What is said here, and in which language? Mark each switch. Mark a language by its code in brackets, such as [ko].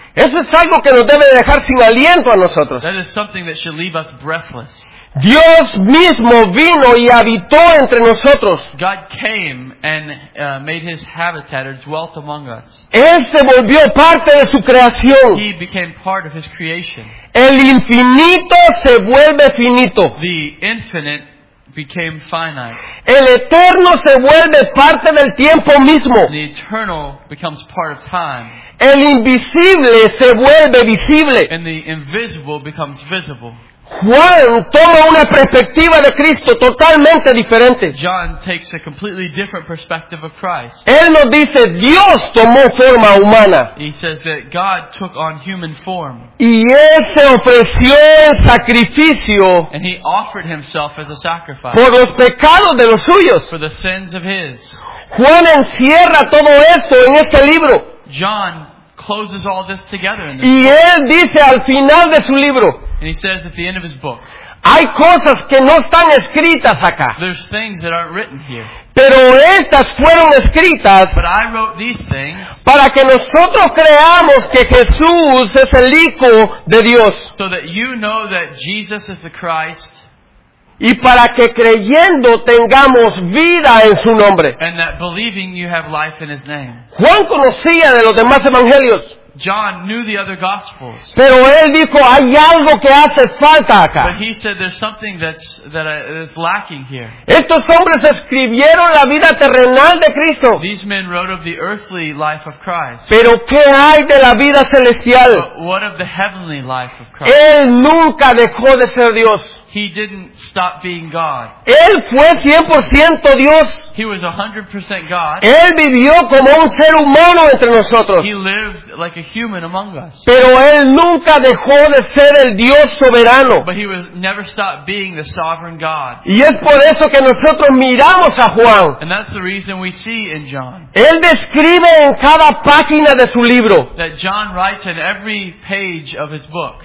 [es] Eso es algo que nos debe dejar sin aliento a nosotros. [en] That is something that should leave us breathless. [es] Dios mismo vino y habitó entre nosotros. [en] God came and made his habitat or dwelt among us. [es] Él se volvió parte de su creación. [en] He became part of his creation. [es] El infinito se vuelve finito. [en] The infinite became finite. [es] El eterno se vuelve parte del tiempo mismo. [en] The eternal becomes part of time. [es] El invisible se vuelve visible. [en] And the invisible becomes visible. [es] Juan toma una perspectiva de Cristo totalmente diferente. [en] John takes a completely different perspective of Christ. [es] Él nos dice, Dios tomó forma humana. [en] He says that God took on human form. [es] Y él se ofreció el sacrificio. [en] And he offered himself as a sacrifice. [es] Por los pecados de los suyos. [en] For the sins of his. [es] Juan encierra todo esto en este libro. [en] John closes all this together in this [es] y él dice al final de su libro, [en] and he says at the end of his book, [es] hay cosas que no están escritas acá, [en] there's things that aren't written here, [es] pero estas fueron escritas, [en] but I wrote these things, [es] para que nosotros creamos que Jesús es el Hijo de Dios, [en] so that you know that Jesus is the Christ, [es] Y para que creyendo tengamos vida en su nombre. [en] And that believing you have life in his name. [es] Juan conocía de los demás evangelios. [en] John knew the other gospels. [es] Pero él dijo, hay algo que hace falta acá. [en] But he said there's something that's lacking here. [es] Estos hombres escribieron la vida terrenal de Cristo. [en] These men wrote of the earthly life of Christ. [es] Pero ¿qué hay de la vida celestial? [en] But what of the heavenly life of Christ? [es] Él nunca dejó de ser Dios. [en] He didn't stop being God. [es] Él fue 100% Dios. [en] He was 100% God. [es] Él vivió como un ser humano entre nosotros. [en] He lived like a human among us. [es] Pero él nunca dejó de ser el Dios soberano. [en] But he was never stopped being the sovereign God. [es] Y es por eso que nosotros miramos a Juan. [en] And that's the reason we see in John. [es] Él describe en cada página de su libro. [en] That John writes in every page of his book.